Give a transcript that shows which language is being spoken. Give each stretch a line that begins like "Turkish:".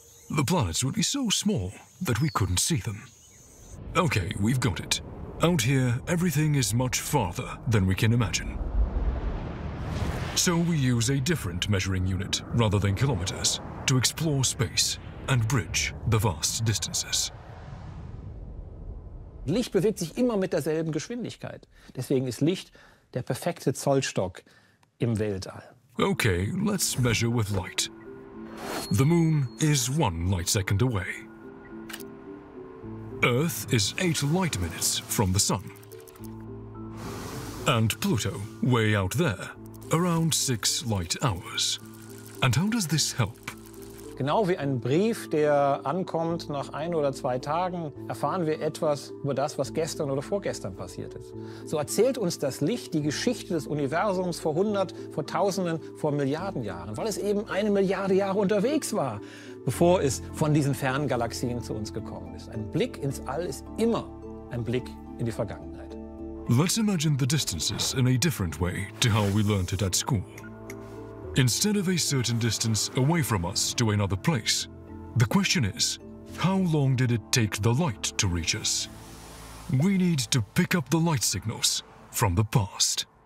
English: The planets would be so small that we couldn't see them. Okay, we've got it. Out here, everything is much farther than we can imagine. So we use a different measuring unit, rather than kilometers, to explore space and bridge the vast distances.
German: Licht bewegt sich immer mit derselben Geschwindigkeit. Deswegen ist Licht der perfekte Zollstock im Weltall.
English: Okay, let's measure with light. The moon is one light second away. Earth is 8 light minutes from the Sun. And Pluto, way out there, around 6 light hours. And how does this help?
German: Genau wie ein Brief, der ankommt nach 1 oder 2 Tagen, erfahren wir etwas über das, was gestern oder vorgestern passiert ist. So erzählt uns das Licht die Geschichte des Universums vor 100, vor Tausenden, vor Milliarden Jahren, weil es eben 1 Milliarde Jahre unterwegs war, bevor es von diesen fernen Galaxien zu uns gekommen ist. Ein Blick ins All ist immer ein Blick in die Vergangenheit.
English: Let's imagine the distances in a different way to how we learned it at school. Instead of a certain distance away from us to another place, the question is, how long did it take the light to reach us? We need to pick up the light signals from the past.